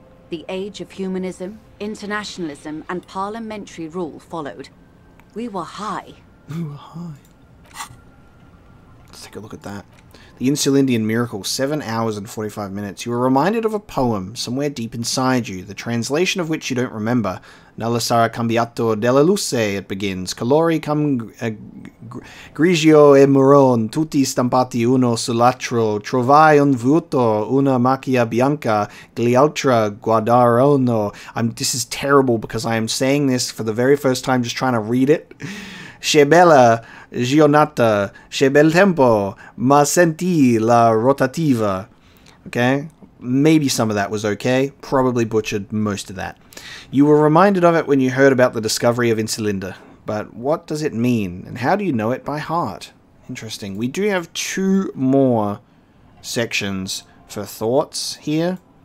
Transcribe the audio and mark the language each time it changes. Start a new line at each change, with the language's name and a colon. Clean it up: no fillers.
English: The age of humanism, internationalism, and parliamentary rule followed. We were high. We were high. Let's take a look at that. The Insulindian Miracle, 7 hours and 45 minutes. You were reminded of a poem somewhere deep inside you, the translation of which you don't remember.
Italian: Nulla sarà cambiato della luce,
English: it begins.
Italian: Colori cum grigio e marrone, tutti stampati uno sull'altro. Trovai un vuoto, una macchia bianca, gli altri guardarono.
English: This is terrible because I am saying this for the very first time just trying to read it.
Italian: C'è bella giornata, c'è bel tempo, ma senti la rotativa.
English: Okay? Maybe some of that was okay. Probably butchered most of that. You were reminded of it when you heard about the discovery of Insulinda. But what does it mean? And how do you know it by heart? Interesting. We do have two more sections for thoughts here.